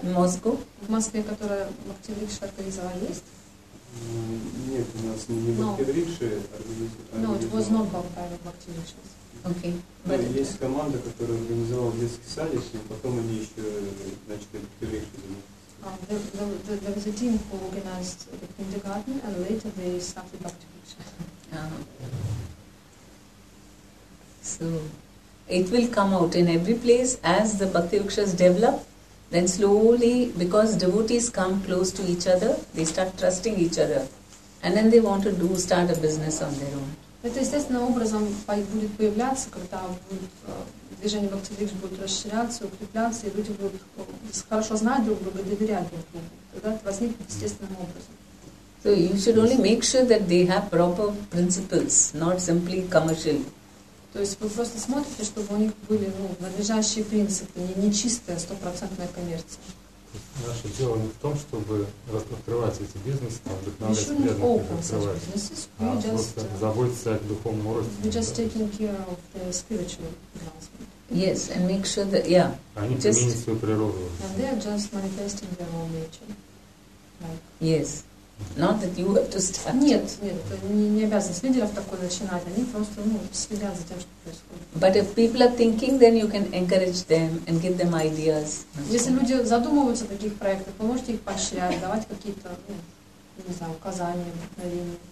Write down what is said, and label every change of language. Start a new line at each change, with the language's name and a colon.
Russian: В Москве. В Москве, которое Bhakti Viksha организовал, есть? Нет, у нас не Бхактивикши организовали.
English: No, it was not called Бхактивикши. Okay.
Russian: Но есть команда, которая организовала детский садик, и потом они еще начали Бхактивикши заниматься.
English: There was a team who organized the kindergarten, and later they started Бхактивикши. So, it will come out in every place as the Бхактивикшас develop. Then slowly, because devotees come close to each other, they start trusting each other. And then they want to start a business on their own.
Russian: Это естественным образом будет появляться, когда движение Бхактивикш будет расширяться, укрепляться, и люди будут хорошо знать друг друга, доверять друг другу. Тогда это возникнет естественным образом.
English: So you should only make sure that they have proper principles, not simply commercial.
Russian: То есть вы просто смотрите, чтобы у них были надлежащие принципы, не чистая, стопроцентная коммерция. наше дело не в том, чтобы раскрывать эти бизнесы, а вдохновлять заботиться о духовном росте.
English: We're just taking care of the spiritual advancement. Yes, and make sure that, yeah.
Russian: Они применят свою природу.
English: And they are just manifesting their own nature. Yes. Not that you have to start.
Russian: Нет, не обязанность лидеров такой начинать. Они просто, следят за тем, что происходит.
English: But if people are thinking, then you can encourage them and give them ideas.
Russian: Если люди задумываются о таких проектах, вы можете их поощрять, давать какие-то, указания, вдохновения.